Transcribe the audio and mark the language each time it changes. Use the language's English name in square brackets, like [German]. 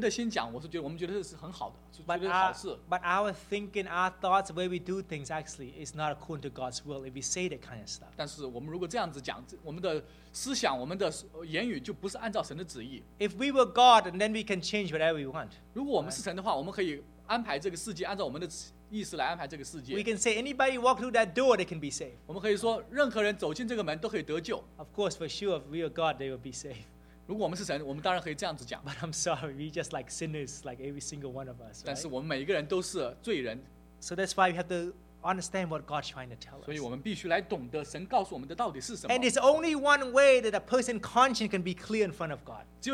[Chinese] 我们有时候会说，那这个人说不定不需要受洗，不需要受圣灵也可以得救，因为这是我们从人的心讲，我是觉得是很好的，觉得好事。 [English] But our thinking, our thoughts, the way we do things, actually, is not according to God's will if we say that kind of stuff. [Chinese] 但是我们如果这样子讲，我们的思想、我们的言语就不是按照神的旨意。 [English] If we were God, then we can change whatever we want. [Chinese] 如果我们是神的话，我们可以安排这个世界按照我们的旨意。 [English] We can say anybody walk through that door, they can be saved. [Chinese] 我们可以说任何人走进这个门都可以得救。 [English] Of course, for sure, if we are God, they will be saved. [Chinese] 如果我们是神，我们当然可以这样子讲。 [English] But I'm sorry, we just like sinners, like every single one of us. Right? [Chinese] 但是我们每一个人都是罪人。 [English] So that's why we have to understand what God's trying to tell us. [Chinese] 所以我们必须来懂得神告诉我们的到底是什么。 [English] And it's only one way that a person's conscience can be clear in front of God.